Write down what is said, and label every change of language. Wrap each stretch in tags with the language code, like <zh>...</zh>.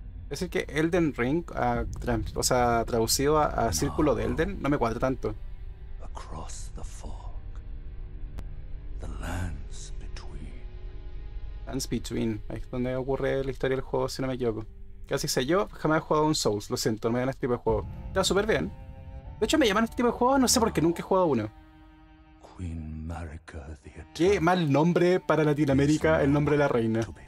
<es>Es decir, que Elden Ring, traducido a Círculo de Elden, no me cuadra tanto.</es> <en>Across the fog, the lands between.</en> <es>Lands Between, ahí es donde ocurre la historia del juego, si no me equivoco. Casi sé, yo jamás he jugado un Souls, lo siento, no me llaman este tipo de juego. Está súper bien. De hecho, me llaman este tipo de juego, no sé por qué, nunca he jugado uno.</es> <en>Queen Marika, the Eternal.</en> <es>Qué mal nombre para Latinoamérica, el nombre de la reina.</es>